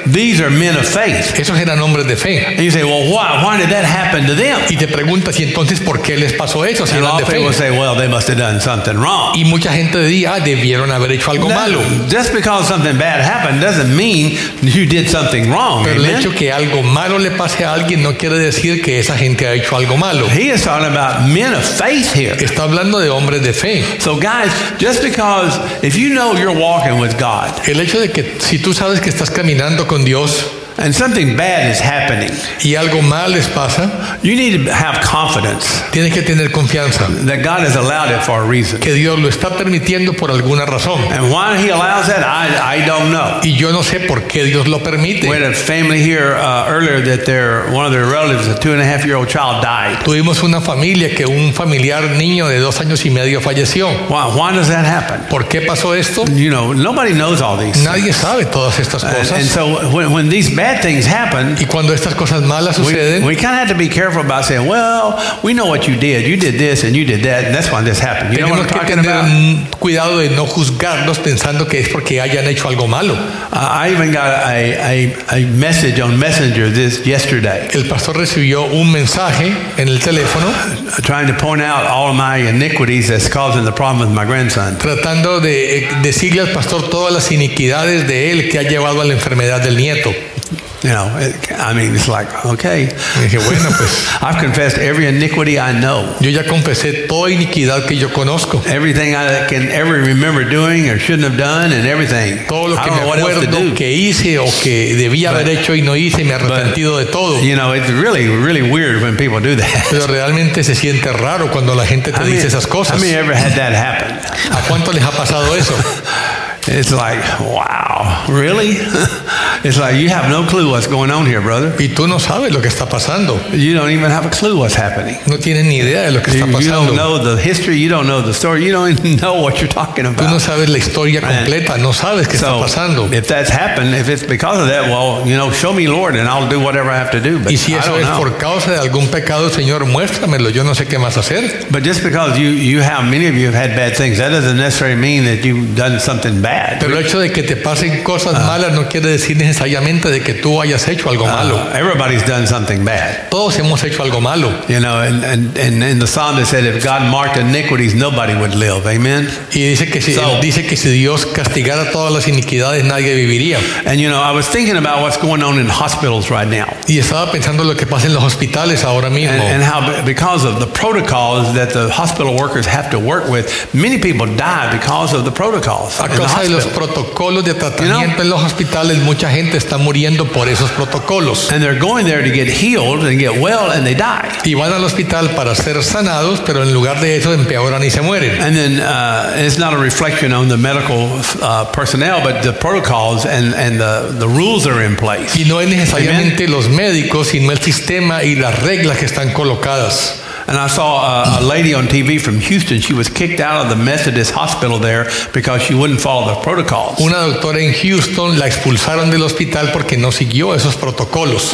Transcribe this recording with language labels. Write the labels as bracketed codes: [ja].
[en] These are men of faith. [es] Esos eran hombres de fe. [en] And you say, well, why did that happen to them? [es] Y te preguntas, ¿y entonces por qué les pasó eso si eran de fe? [en] And people say, well, they must have done something wrong. [es] Y mucha gente diría, debieron haber hecho algo malo. [en] Just because something bad happened doesn't mean you did something wrong. [es] Pero el hecho que algo malo le pase a alguien no quiere decir que esa gente ha hecho algo malo. [en] He is talking about men of faith here. [es] Está hablando de hombres de fe. [en] So guys, just because if you know you're walking with God, [es] el hecho de que si tú sabes que estás caminando con Dios, [en] and something bad is happening, [es] y algo mal les pasa, [en] you need to have confidence. [es] Tienes que tener confianza. [en] That God has allowed it for a reason. [es] Que Dios lo está permitiendo por alguna razón. [en] And why He allows that, I don't know. [es] Y yo no sé por qué Dios lo permite. [en] We had a family here earlier that one of their relatives, a 2.5-year-old child, died. [es] Tuvimos una familia que un familiar niño de 2 años y medio falleció. [en] Why does that happen? [es] ¿Por qué pasó esto? [en] You know, nobody knows all these. [es] Nadie sabe todas estas cosas. [en] And so when these bad things happen, [es] y cuando estas cosas malas suceden, [en] we kind of have to be careful about saying, well, we know what you did. You did this and you did that, and that's why this happened. You know what I'm talking about? [es] Tenemos que tener cuidado de no juzgarlos pensando que es porque hayan hecho algo malo. [en] I even got a message on Messenger this yesterday. [es] El pastor recibió un mensaje en el teléfono [en] trying to point out all my iniquities that's causing the problem with my grandson. [es] Tratando de decirle al pastor todas las iniquidades de él que ha llevado a la enfermedad del nieto. [en] You know, I mean, it's like, okay. [es] Dije, bueno, pues, [en] I've confessed every iniquity I know. [es] Yo ya confesé toda iniquidad que yo conozco. [en] Everything I can ever remember doing or shouldn't have done and everything. [es] Todo lo que me acuerdo que hice o que debía haber hecho y no hice, me he arrepentido de todo. [en] You know, it's really, really weird when people do that. [es] Pero realmente se siente raro cuando la gente te dice esas cosas. [en] How many ever had that happen? [es] ¿A cuánto les ha pasado eso? [en] It's like, wow, really? It's like, you have no clue what's going on here, brother. [es] Y tú no sabes lo que está pasando. [en] You don't even have a clue what's happening. [es] No tienes ni idea de lo que está pasando. [en] You don't know the history, you don't know the story, you don't even know what you're talking about. [es] Tú no sabes la historia completa, no sabes qué está pasando. [en] If that's happened, if it's because of that, well, you know, show me, Lord, and I'll do whatever I have to do. But [es] y si eso es por causa de algún pecado, Señor, muéstramelo, yo no sé qué más hacer. [en] But just because you have, many of you have had bad things, that doesn't necessarily mean that you've done something bad. [es] Pero el hecho de que te pasen cosas malas no quiere decir necesariamente de que tú hayas hecho algo malo. [en] Everybody's done something bad. [es] Todos hemos hecho algo malo. [en] You know, and in the psalm it said if God marked iniquities, nobody would live. Amen. [es] Y dice que si Dios castigara todas las iniquidades, nadie viviría. [en] And you know, I was thinking about what's going on in hospitals right now. [es] Y estaba pensando lo que pasa en los hospitales ahora mismo. [en] And how because of the protocols that the hospital workers have to work with, many people die because of the protocols. [es] De los protocolos de tratamiento, [en] you know, [es] en los hospitales, mucha gente está muriendo por esos protocolos. [en] And they're going there to get healed and get well, and they die. [es] Y van al hospital para ser sanados, pero en lugar de eso empeoran y se mueren. [en] And then it's not a reflection on the medical personnel, but the protocols and the rules are in place. [es] Y no es necesariamente los médicos, sino el sistema y las reglas que están colocadas. [en] And I saw a lady on TV from Houston. She was kicked out of the Methodist hospital there because she wouldn't follow the protocols. [es] Una doctora en Houston la expulsaron del hospital porque no siguió esos protocolos.